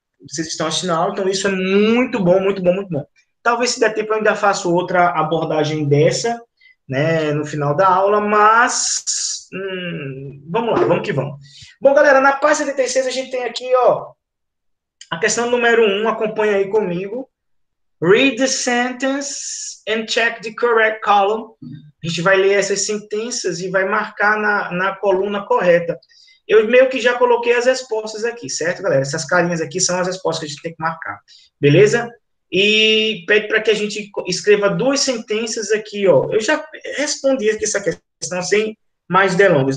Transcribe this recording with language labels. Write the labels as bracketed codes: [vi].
[pt] Vocês estão assistindo a aula, então isso é muito bom, muito bom, muito bom. Talvez se der tempo eu ainda faça outra abordagem dessa, né, no final da aula, mas vamos lá, vamos que vamos. Bom, galera, na página 76 a gente tem aqui, ó, a questão número 1, acompanha aí comigo. [en] Read the sentence and check the correct column. [pt] A gente vai ler essas sentenças e vai marcar na coluna correta. Eu meio que já coloquei as respostas aqui, certo, galera? Essas carinhas aqui são as respostas que a gente tem que marcar, beleza? E pede para que a gente escreva duas sentenças aqui, ó. Eu já respondi aqui essa questão sem mais delongas.